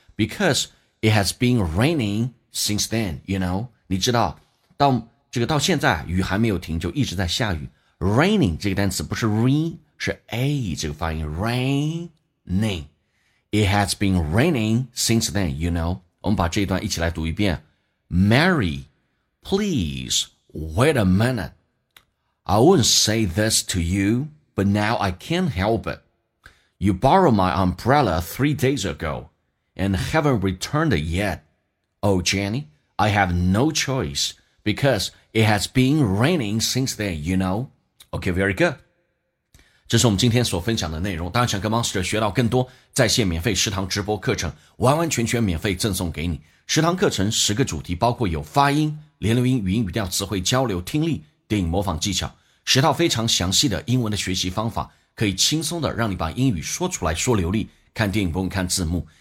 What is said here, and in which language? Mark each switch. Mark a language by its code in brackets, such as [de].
[en] Because it has been raining since then, you know. [zh] 你知道到这个到现在雨还没有停，就一直在下雨。 raining 这个单词不是 rain， 是 a 这个发音 raining。 [en] It has been raining since then, you know。 [zh] 我们把这一段一起来读一遍。 [en] Mary, please wait a minute. I wouldn't say this to you, but now I can't help it. You borrowed my umbrella 3 days ago and haven't returned it yet. Oh, Jenny,I have no choice because it has been raining since then, you know. Okay, very good. [zh] 这是我们今天所分享的内容。当然想跟 Monster 学到更多在线免费食堂直播课程，完完全全免费赠送给你。食堂课程10个主题，包括有发音、连读音、语音语调、词汇交流、听力、电影模仿技巧，10套非常详细的英文的学习方法，可以轻松的让你把英语说出来说流利，看电影不用看字幕。